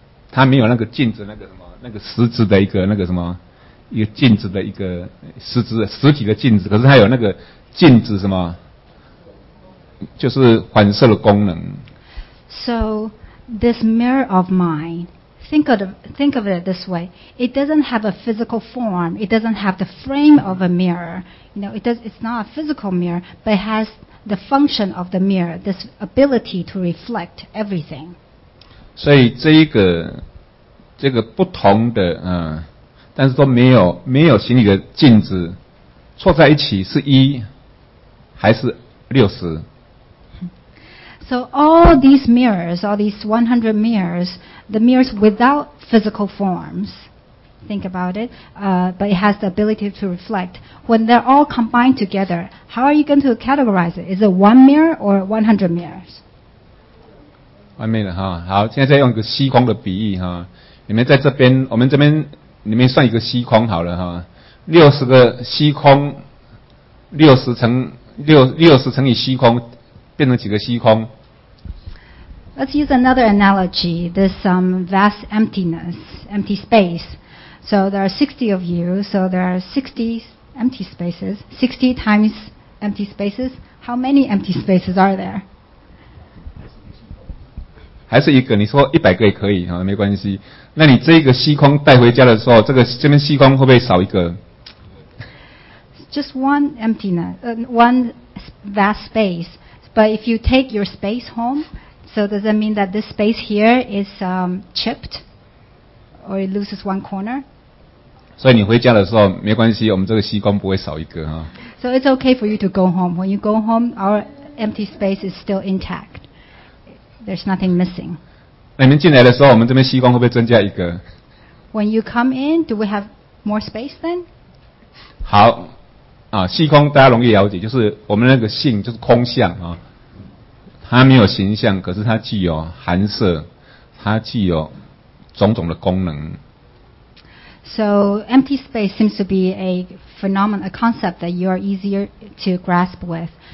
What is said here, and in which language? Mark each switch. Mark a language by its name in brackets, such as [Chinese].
[Chinese] 它没有那个镜子那个什么那个实质的一个那个什么。一个镜子的一个实体的镜子，可是它有那个镜子什么，就是反射的功能。 [English] So this mirror of mine, think of it this way. It doesn't have a physical form. It doesn't have the frame of a mirror. You know, it's not a physical mirror, but it has the function of the mirror, this ability to reflect everything. [Chinese] 所以这一个这个不同的但是都没有没有行李的镜子凑在一起是一还是六十 [English] So all these mirrors, all these 100 mirrors, the mirrors without physical formsThink about it, but it has the ability to reflect. When they're all combined together, how are you going to categorize it? Is it one mirror or 100 mirrors? [Chinese] 外面的哈，好，现在再用一个虚空的比喻哈，你们在这边，我们这边，你们算一个虚空好了哈，六十个虚空，六十乘以虚空，变成几个虚空？ [English] Let's use another analogy. This vast emptiness, empty space. So there are 60 of you, so there are 60 empty spaces. 60 times empty spaces. How many empty spaces are there? [Chinese] 还是一个，你说100个也可以，没关系。那你这个虚空带回家的时候，这边虚空会不会少一个？ [English] Just one emptiness, one vast space. But if you take your space home, so does that mean that this space here is chipped? Or it loses one corner? [Chinese] 所以你回家的时候没关系，我们这个虚空不会少一个哈。 [English] So it's okay for you to go home. When you go home, our empty space is still intact. There's nothing missing. [Chinese] 那你们进来的时候，我们这边虚空会不会增加一个 [English] ？When you come in, do we have more space then? [Chinese] 好，啊，虚空大家容易了解，就是我们那个性就是空相啊，它没有形象，可是它具有含摄，它具有种种的功能。 [English] So empty space seems to be a phenomenon, a concept that you are easier to grasp with.